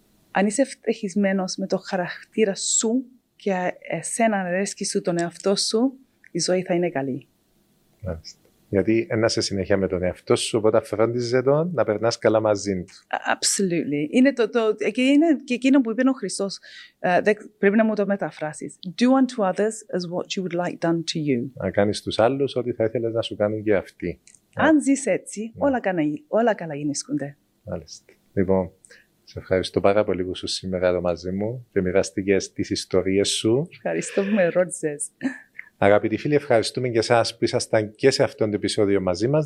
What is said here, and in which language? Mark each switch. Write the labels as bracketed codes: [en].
[el] Αν είσαι ευτυχισμένος με το χαρακτήρα σου και εσένα αρέσκει σου τον εαυτό σου, η ζωή θα είναι καλή. Μάλιστα. Γιατί ένα σε συνέχεια με τον εαυτό σου, οπότε φροντίζεσαι τον να περνάς καλά μαζί του. [en] Absolutely. [el] Είναι και είναι και εκείνο που είπε ο Χριστός, πρέπει να μου το μεταφράσεις. [en] Do unto others as what you would like done to you. [el] Να κάνεις στους άλλους ό,τι θα ήθελες να σου κάνουν και αυτοί. Αν ζεις έτσι, όλα καλά γίνησκονται. Μάλιστα. Λοιπόν, σε ευχαριστώ πάρα πολύ που σου σήμερα εδώ μαζί μου και μοιραστήκες τις ιστορίες σου. Ευχαριστώ που με ρώτησες. Αγαπητοί φίλοι, ευχαριστούμε και εσάς που ήσασταν και σε αυτό το επεισόδιο μαζί μας.